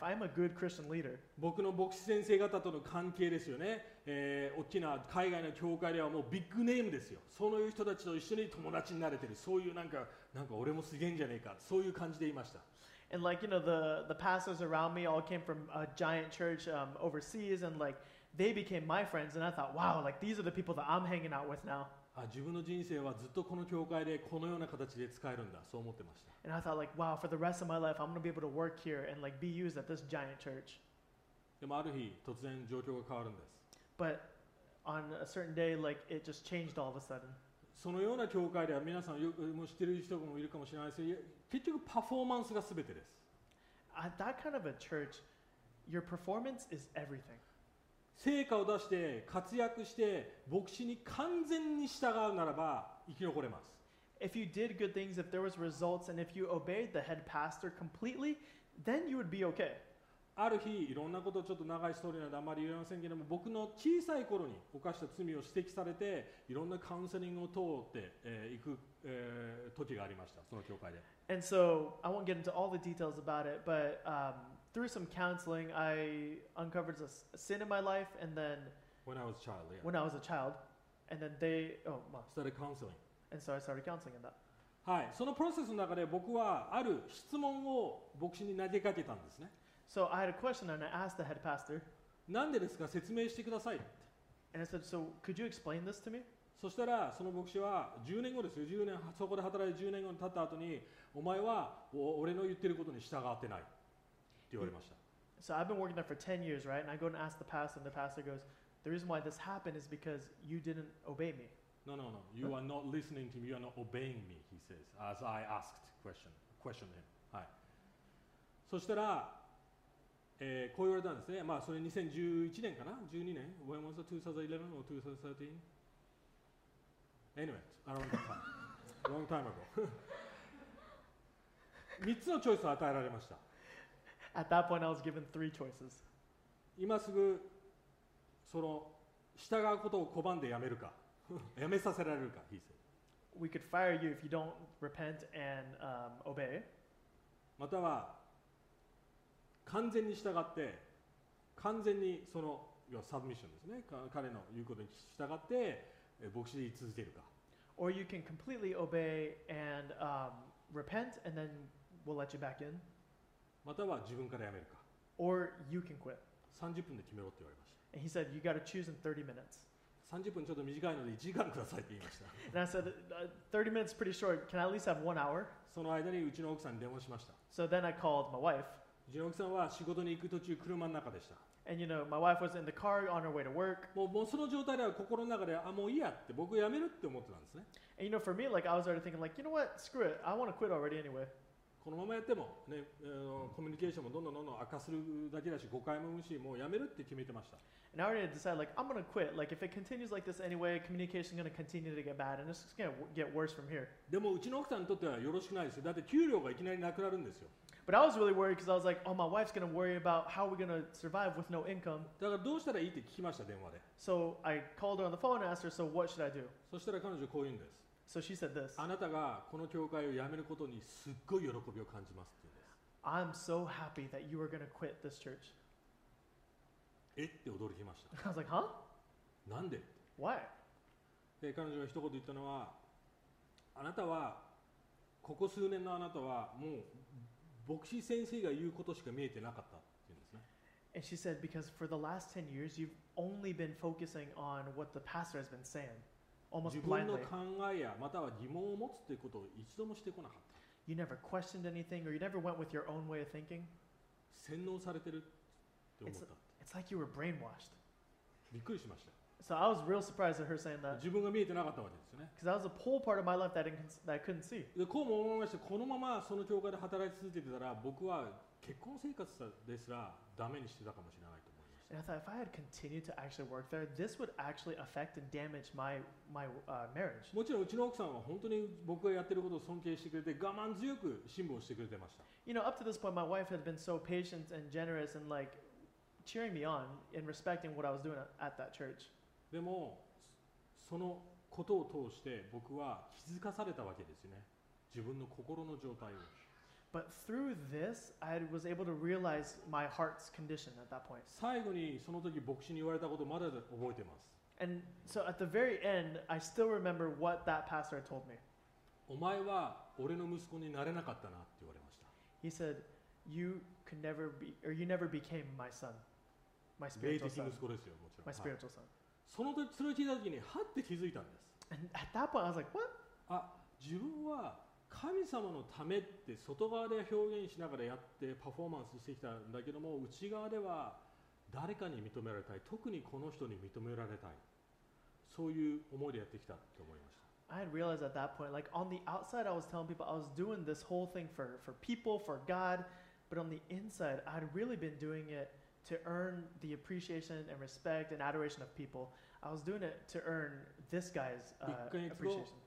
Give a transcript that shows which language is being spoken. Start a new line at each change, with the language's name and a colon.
English: I'm a good Christian leader.
Japanese: 僕の牧師先生方との関係ですよね。大きな海外の教会ではもうビッグネームですよ。そういう人たちと一緒に友達になれてる。そういうなんか俺もすげえんじゃねえか。そういう感じでいました。
English: And like you know the pastors around me all came from a giant church overseas and like they became my friends and I thought wow like these are the people that I'm hanging out with now.
Japanese: 自分の人生はずっとこの教会でこのような形で使えるんだ、そう思ってました。
English: And I thought like, wow, for the rest of my life, I'm going to be able to work here and like be used at this giant church.
Japanese: でもある日突然状況が変わるんです。
English: But on a certain day, like it just changed all of a sudden.
Japanese: そのような教会では皆さんよくも知ってる人もいるかもしれないですが、結局パフォーマンスが全てです。
English: At that kind of a church, your performance is everything.
Japanese: 成果を出して活躍して牧師に完全に従うならば生き残れます。
English: If you did good things, if there was results, and if you obeyed the head pastor completely, then you would be okay.
Japanese: ある日、いろんなことをちょっと長いストーリーなのであまり言えませんけれども、僕の小さい頃に犯した罪を指摘されて、いろんなカウンセリングを通って、行く、時がありました、その教会で。
English: And so, I won't get into all the details about it, but, through some counseling, I uncovered a sin in my life, and then when I was a child, yeah. When I was a child, and then they started counseling. And so I started counseling in that.
Japanese: はい、そのプロセスの中で僕はある質問を牧師に投げかけたんですね。
English: So I had a question and I asked the head pastor.
Japanese: なんでですか？説明してください。
English: And I said, so could you explain this to me?
Japanese: そしたらその牧師は10年後ですよ10年そこで働いて10年後に経った後にお前は俺の言ってることに従ってないって言われました。
English: So I've been working there for 10 years, right? And I go and ask the pastor, and the pastor goes, the reason why this happened is because you didn't obey me. No, no, no. You are not listening to me. You are not obeying me, he says, as I asked question him.
Japanese: はい。そしたら、こう言われたんですね。まあ、それ2011年かな ?12 年
English: When was it? 2011 or 2013? Anyway, a long time. long time ago.
Japanese: 3つのチョイスを与えられました。
English: At that point, I was given three choices.
Japanese: 今すぐその従うことを拒んでやめるか、やめさせられるか、
English: he said. We could fire you if you don't repent and obey.
Japanese: または完全に従って、完全にその要はサブミッションですね。彼の言うことに従って牧師で続けるか。
English: Or you can completely obey and repent, and then we'll let you back in.
Japanese: または自分からやめるか。
English: Or you can quit.
Japanese: 30分で決めろって言われました。
English: And he said, you got to choose in 30 minutes.
Japanese: 30分ちょっと短いので1時間くださいって言いました。
English: And I said, 30 minutes is pretty short. Can I at least have one hour?
Japanese: その間にうちの奥さんに電話しました。
English: So then I called my wife.
Japanese: うちの奥さんは仕事に行く途中、車の中でした。
English: And you know, my wife was in the car on her way to work.
Japanese: もうその状態では心の中で、あ、もういいやって、僕やめるって思ってたんですね。
English: And you know, for me, like, I was already thinking, like, you know what? Screw it. I want to quit already anyway.
Japanese: このままやっても、ね、コミュニケーションもどんどん悪化するだけだし、誤解も生むし、もうやめるって決めてました。
English: And I already decided, like, I'm gonna quit. Like, if it continues like this anyway, communication's gonna continue to get bad, and it's just gonna get worse from here.
Japanese: でもうちの奥さんにとってはよろしくないですよ。だって給料がいきなりなくなるんですよ。
English: But I was really worried because I was like, oh, my wife's gonna worry about how we're gonna survive with no income.
Japanese: だからどうしたらいいって聞きました、電話で。
English: So I called her on the phone and asked her, so what should I do?
Japanese: そしたら彼女こう言うんです。
English: So she said this.
Japanese: あなたがこの教会を辞めることにすっごい喜びを感じますって言うんです。
English: I'm so happy that you are going to quit this church.
Japanese: え？って驚きました。
English: I was like, huh?
Japanese: なんで？
English: Why?
Japanese: で、彼女が一言言ったのは、あなたは、ここ数年のあなたは、もう牧師先生が言うことしか見えてなかったって言うんですね。
English: And she said, because for the last 10 years, you've only been focusing on what the pastor has been saying.
Japanese: 自分の考えやまたは疑問を持つということを一度もしてこなかった。
English: You never questioned anything or you never went with your own way of thinking.
Japanese: 洗脳されてるって思った。
English: It's like you were brainwashed.
Japanese: びっくりしました。
English: So I was real surprised at her saying that.
Japanese: 自分が見えてなかったわけですよね。
English: Because that was a poor part of my life that I couldn't see.
Japanese: で、こうも思いました。このままその教会で働き続けてたら僕は結婚生活ですらダメにしてたかもしれないと。
English: And I thought, if I had continued to actually work there, this would actually affect and damage my marriage.
Japanese: もちろんうちの奥さんは本当に僕がやってることを尊敬してくれて、我慢強く辛抱してくれてました。
English: You know, up to this point, my wife had been so patient and generous and like cheering me on and respecting what I was doing at that church.
Japanese: でも、そのことを通して僕は気づかされたわけですよね。自分の心の状態を。
English: But through this, I was able to realize my heart's condition at that point.
Japanese: 最後にその時牧師に言われたことまだ覚えてます。
English: And so at the very end, I still remember what that pastor told me.
Japanese: お前は俺の息子になれなかったなって言われました。
English: He said, you could never be, or you never became my son, my spiritual son.
Japanese: 霊的息子ですよ、もちろん。
English: My spiritual son.、
Japanese: はい、その時、それを聞いた時に、はって気づいたんです。
English: And at that point, I was like, what?
Japanese: あ、自分は神様のためって外側で表現しながらやってパフォーマンスしてきたんだけども内側では誰かに認められたい特にこの人に認められたいそういう思いでやってきたと思いました。
English: I had realized at that point, like on the outside I was telling people I was doing this whole thing for people, for God, but on the inside I had really been doing it to earn the appreciation and respect and adoration of people. I was doing it to earn this guy's appreciation.